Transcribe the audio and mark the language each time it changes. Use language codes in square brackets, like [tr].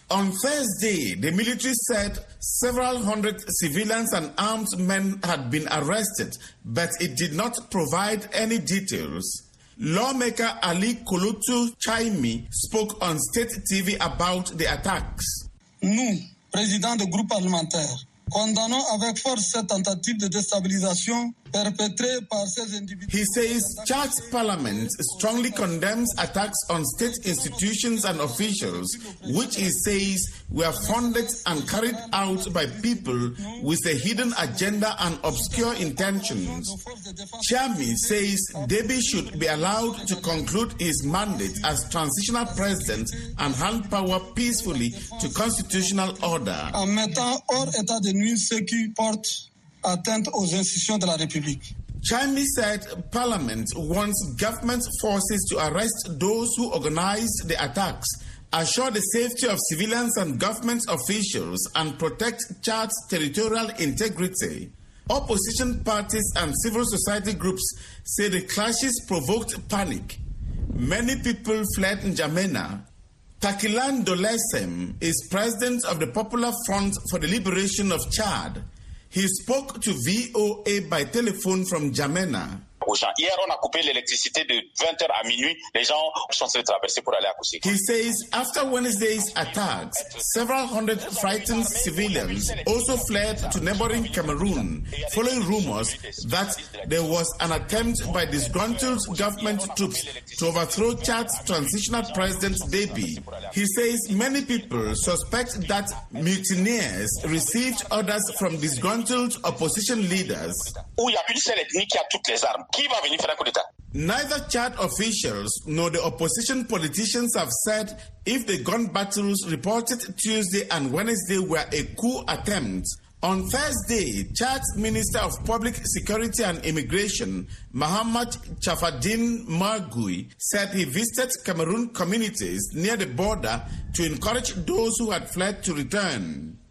[en] On Thursday, the military said several hundred civilians and armed men had been arrested, but it did not provide any details. Lawmaker Ali Kolutu Chaimi spoke on state TV about the attacks. [fr] Nous, président de groupe parlementaire, condamnons avec force cette tentative de déstabilisation perpétrée par ces individus. [en] He says Chad's parliament strongly condemns attacks on state institutions and officials, which he says were funded and carried out by people with a hidden agenda and obscure intentions. Chami says Deby should be allowed to conclude his mandate as transitional president and hand power peacefully to constitutional order. [fr] En mettant hors état de nuire ceux qui portent atteinte aux institutions de la République. [en] Chami said Parliament wants government forces to arrest those who organized the attacks, assure the safety of civilians and government officials, and protect Chad's territorial integrity. Opposition parties and civil society groups say the clashes provoked panic. Many people fled N'Djamena. Takilan Dolesem is president of the Popular Front for the Liberation of Chad. He spoke to VOA by telephone from N'Djamena. [fr] Hier, on a coupé l'électricité de 20h à minuit. Les gens sont en train de traverser pour aller à Kousika. [en] He says after Wednesday's attacks, several hundred frightened civilians also fled to neighboring Cameroon, following rumors that there was an attempt by disgruntled government troops to overthrow Chad's transitional president, Deby. He says many people suspect that mutineers received orders from disgruntled opposition leaders. [fr] Où il y a une seule ethnie qui a toutes les armes. [en] Neither Chad officials nor the opposition politicians have said if the gun battles reported Tuesday and Wednesday were a coup attempt. On Thursday, Chad's Minister of Public Security and Immigration, Mohamed Chafadine Margui, said he visited Cameroon communities near the border to encourage those who had fled to return.